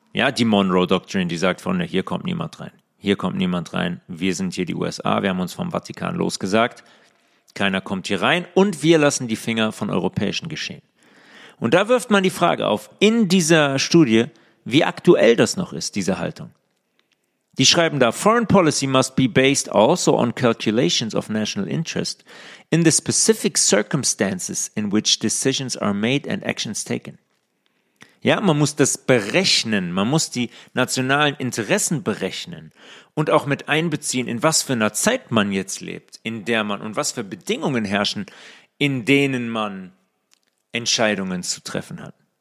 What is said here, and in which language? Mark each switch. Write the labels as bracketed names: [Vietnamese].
[German] Ja, die Monroe-Doktrin, die sagt, von hier kommt niemand rein. Hier kommt niemand rein. Wir sind hier die USA. Wir haben uns vom Vatikan losgesagt. Keiner kommt hier rein. Und wir lassen die Finger von europäischen Geschehen. Und da wirft man die Frage auf, in dieser Studie, wie aktuell das noch ist, diese Haltung. [English] Die schreiben da, Foreign policy must be based also on calculations of national interest in the specific circumstances in which decisions are made and actions taken. [German] Ja, man muss das berechnen, man muss die nationalen Interessen berechnen und auch mit einbeziehen, in was für einer Zeit man jetzt lebt, in der man und was für Bedingungen herrschen, in denen man Entscheidungen zu treffen hat.